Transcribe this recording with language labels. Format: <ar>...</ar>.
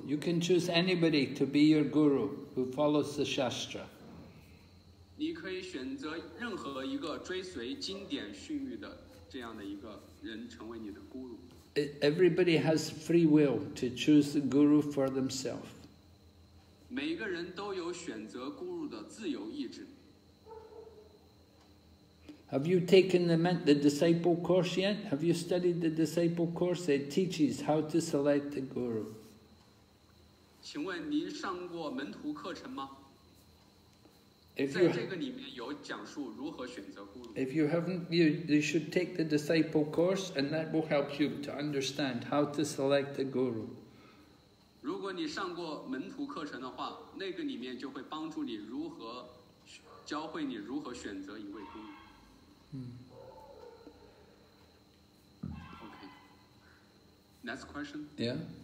<en>You can choose anybody to be your guru who follows the Shastra.</en> <zh>你可以选择任何一个追随经典训谕的这样的一个人成为你的 guru.</zh> <en>Everybody has free will to choose the guru for themselves.</en> <zh>每个人都有选择 guru 的自由意志。</zh> <en>Have you taken the disciple course yet? Have you studied the disciple course? It teaches how to select the guru.</en> <zh>请问您上过门徒课程吗？</zh> <en>If you,</en> <zh>在这个里面有讲述如何选择 guru.</zh> <en>If you haven't, you should take the disciple course, and that will help you to understand how to select the guru.</en> <zh>如果你上过门徒课程的话，那个里面就会帮助你如何教会你如何选择一位 guru.</zh> <en>Okay. Next question. Yeah.</en>